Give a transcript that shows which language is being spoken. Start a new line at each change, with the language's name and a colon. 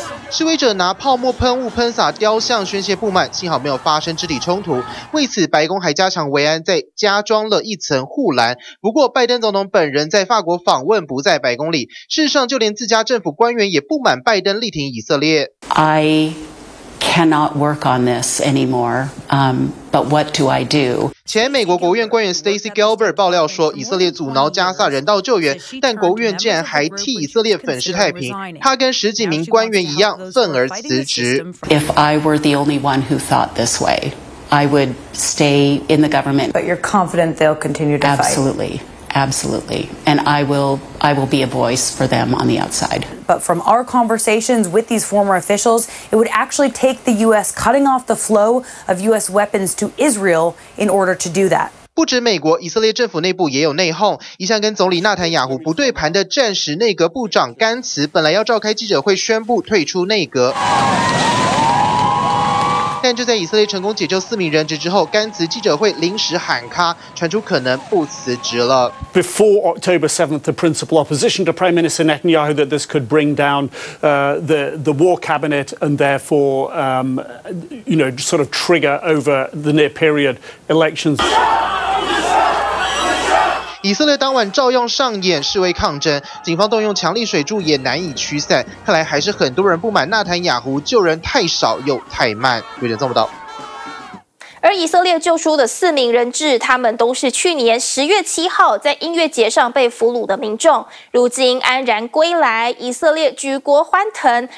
Chinese: 示威者拿泡沫喷雾喷洒雕像宣泄不满，幸好没有发生肢体冲突。为此，白宫还加强维安，再加装了一层护栏。不过，拜登总统本人在法国访问，不在白宫里。事实上，就连自家政府官员也不满拜登力挺以色列。
English: I cannot work on this anymore. But what do I do?
Chinese: 前美国国务院官员 Stacey Gilbert 爆料说，以色列阻挠加萨人道救援，但国务院竟然还替以色列粉饰太平。他跟十几名官员一样，愤而辞职。
English: If I were the only one who thought this way, I would stay in the government. But you're confident they'll continue to fight. Absolutely. Absolutely. And I will be a voice for them on the outside. But from our conversations with these former officials, it would actually take the U.S. cutting off the flow of U.S. weapons to Israel in order to do that.
Chinese: 不止美国，以色列政府内部也有内讧。一向跟总理纳坦雅胡不对盘的战时内阁部长甘茨，本来要召开记者会宣布退出内阁。但就在以色列成功解救四名人质之后，甘茨记者会临时喊卡，传出可能不辞职了。
English: Before October 7th, the principal opposition to Prime Minister Netanyahu that this could bring down the war cabinet and therefore, you know, sort of trigger over the near period elections.
Chinese: 以色列当晚照样上演示威抗争，警方动用强力水柱也难以驱散，看来还是很多人不满纳坦雅胡救人太少又太慢。有点做不到。而以色列救出的四名人质，他们都是去年10月7号在音乐节上被俘虏的民众，如今安然归来，以色列举国欢腾。